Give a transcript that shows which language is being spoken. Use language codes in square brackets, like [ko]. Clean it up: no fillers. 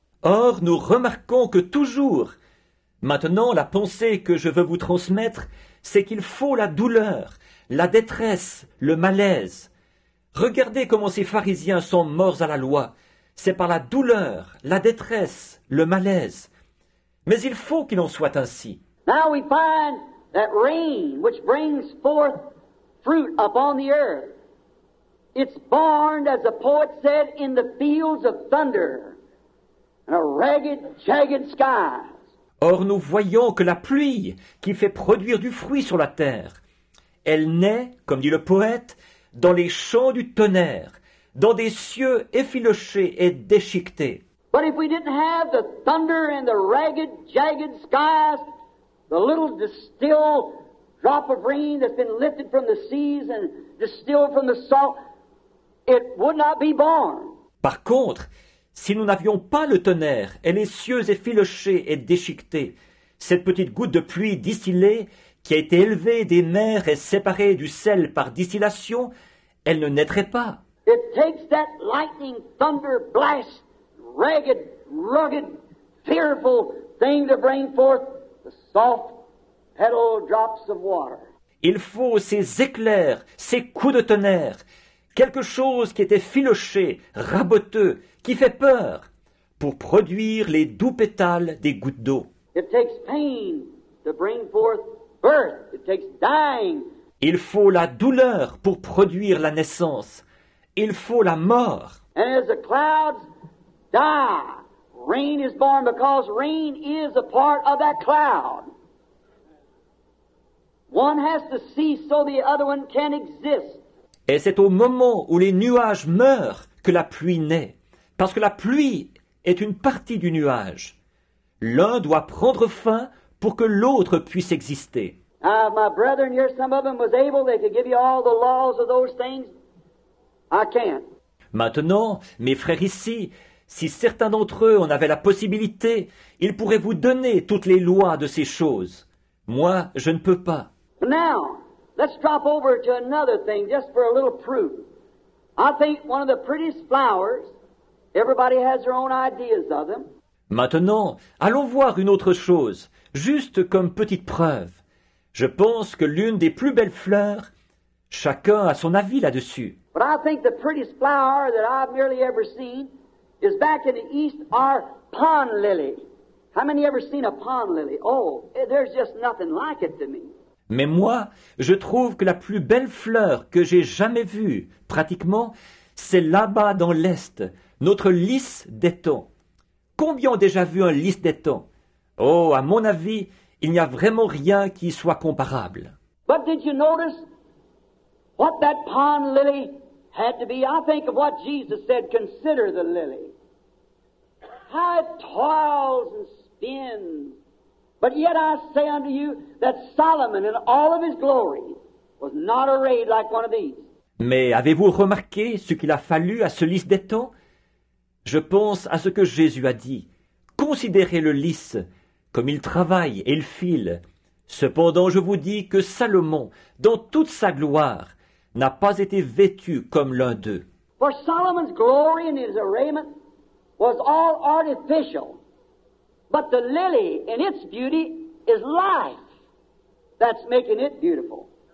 [fr] Or, nous remarquons que toujours, maintenant, la pensée que je veux vous transmettre, c'est qu'il faut la douleur, la détresse, le malaise. Regardez comment ces pharisiens sont morts à la loi. C'est par la douleur, la détresse, le malaise. Mais il faut qu'il en soit ainsi. [en] Now we find that rain which brings forth fruit upon the earth. It's born, as the poet said, in the fields of thunder and a ragged, jagged sky. [fr] Or, nous voyons que la pluie qui fait produire du fruit sur la terre, elle naît, comme dit le poète, dans les champs du tonnerre, dans des cieux effilochés et déchiquetés. [en] But if we didn't have the thunder and the ragged, jagged skies, the little distilled drop of rain that's been lifted from the seas and distilled from the salt, it would not be born. [fr] Par contre, si nous n'avions pas le tonnerre et les cieux effilochés et déchiquetés, cette petite goutte de pluie distillée qui a été élevée des mers et séparée du sel par distillation, elle ne naîtrait pas. [en] It takes that lightning, thunder, blast, ragged, rugged, fearful thing to bring forth the soft petal drops of water. [fr] Il faut ces éclairs, ces coups de tonnerre, quelque chose qui était filoché, raboteux, qui fait peur, pour produire les doux pétales des gouttes d'eau. [en] It takes pain to bring forth birth. It takes dying. [fr] Il faut la douleur pour produire la naissance. Il faut la mort. [en] And as the clouds die, rain is born because rain is a part of that cloud. One has to cease so the other one can exist. [fr] Et c'est au moment où les nuages meurent que la pluie naît. Parce que la pluie est une partie du nuage. L'un doit prendre fin pour que l'autre puisse exister. [en] My brethren here, some of them was able, they could give you all the laws of those things. I can't. [fr] Maintenant, mes frères ici, si certains d'entre eux en avaient la possibilité, ils pourraient vous donner toutes les lois de ces choses. Moi, je ne peux pas. [en] Now, let's drop over to another thing just for a little proof. I think one of the prettiest flowers, everybody has their own ideas of them. [fr] Maintenant, allons voir une autre chose, juste comme petite preuve. Je pense que l'une des plus belles fleurs, chacun a son avis là-dessus. [en] But I think the prettiest flower that I've nearly ever seen is back in the east, our pond lily. How many ever seen a pond lily? Oh, there's just nothing like it to me. [fr] Mais moi, je trouve que la plus belle fleur que j'ai jamais vue, pratiquement, c'est là-bas dans l'Est, notre lys d'étang. Combien ont déjà vu un lys d'étang? Oh, à mon avis, il n'y a vraiment rien qui soit comparable. [en] But did you notice what that pond lily had to be? I think of what Jesus said, consider the lily. How it toils and spins. But yet I say unto you that Solomon in all of his glory was not arrayed like one of these. [fr] Mais avez-vous remarqué ce qu'il a fallu à ce lys d'étang? Je pense à ce que Jésus a dit. Considérez le lys, comme il travaille et il file. Cependant, je vous dis que Salomon, dans toute sa gloire, n'a pas été vêtu comme l'un d'eux. [en] For Solomon's glory and his arrayment was all artificial. But the lily in its beauty is life that's making it beautiful.